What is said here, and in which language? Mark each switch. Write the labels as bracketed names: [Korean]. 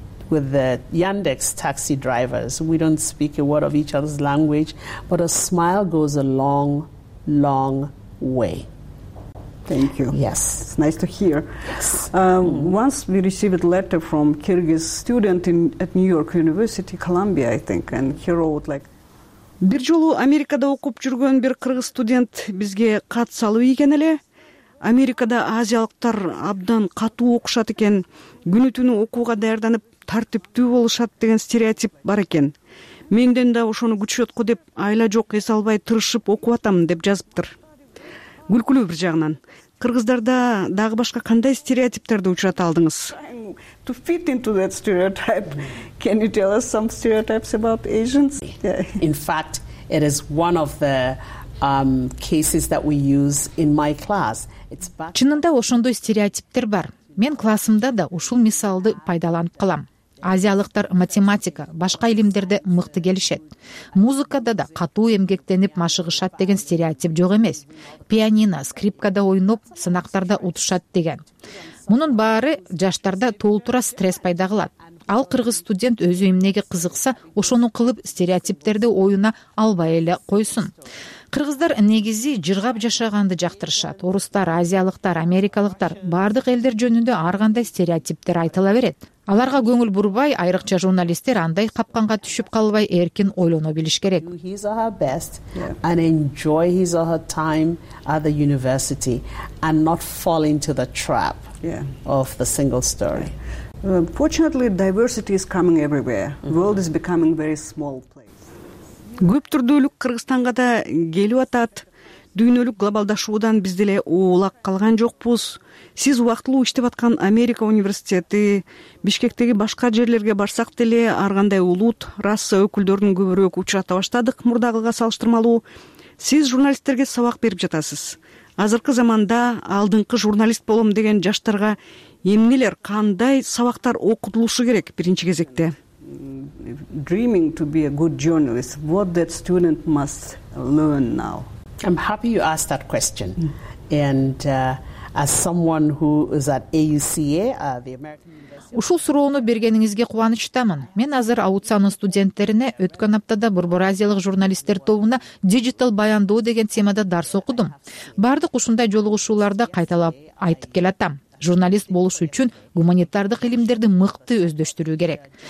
[English] With the Yandex taxi drivers, we don't speak a word of each other's language, but a smile goes a long, long way. Thank you. Yes. It's nice to hear. Yes. Once we received a letter from Kyrgyz student at New York University, Columbia, I think, and he wrote like... [Kyrgyz] Бир жолу Америкада окуп жүргөн бир кыргыз студент бизге кат салып ийген эле. Америкада азиялыктар абдан катуу окушат экен. Күнү-түнү окууга даярданып, тартиптүү болушат деген стереотип бар экен. Менден да ошону күчөткө деп айла жок эс албай тырышып окуп атам деп жазыптыр. Күлкүлүү бир жагынан. Кыргыздарда дагы башка кандай стереотиптерди учурата алдыңыз? [English] To fit into that stereotype, can you tell us some stereotypes about Asians? Yeah. In fact, it is one of the cases that we use in my class. [Kyrgyz] Чынында ошондой стереотиптер бар. Мен классымда да ушул мисалды пайдаланып калам. Азиялыктар математика, башка илимдерде мыкты келишет. Музыкада да катуу эмгектенип машыгышат деген стереотип жок эмес. Пианино, скрипкада ойноп, сынактарда утушат деген. Мунун баары жаштарда толтура стресс пайда кылат. Ал кыргыз студент өзү эмнеге кызыкса, ошону кылып стереотиптерди оюна албай эле койсун. Кыргыздар негизи жыргап жашаганды жактырышат. Орустар, азиялыктар, америкалыктар, бардык элдер жөнүндө ар кандай стереотиптер айтыла берет. Аларга көңүл бурбай, айрыкча журналисттер андай капканга түшүп калбай эркин ойлоно билиш керек. [English] He's our best and enjoy his or her time at the university and not fall into the trap of the single story. Fortunately, diversity is coming everywhere. World is becoming a very small place. [Kyrgyz] Көп түрдүүлүк Кыргызстанга да келип атат. Дүйнөлүк глобалдашуудан биз деле оолак калган жокпуз. Сиз убактылуу иштеп аткан Америка университети, Бишкектеги башка жерлерге барсак деле ар кандай улут, раса өкүлдөрүн көбүрөөк учурата баштадык мурдагыга салыштырмалуу. Сиз журналисттерге сабак берип жатасыз. Азыркы заманда алдыңкы журналист болом деген жаштарга эмнелер, кандай сабактар окутулушу керек биринчи кезекте? [English] Dreaming to be a good journalist, what that student must learn now? I'm happy you asked that question. And as someone who is at AUCA, the American [Kyrgyz] Ушул суроону бергениңизге кубанычтамын. Мен азыр Ауцанын студенттерине өткөн аптада Бурбуразиялык журналисттер тобуна дижитал баяндоо деген темада дарс окудум. Бардык ушундай жолугушууларда кайталап айтып келатам. Журналист болуш үчүн гуманитардык илимдерди мыкты өздөштүрүү керек.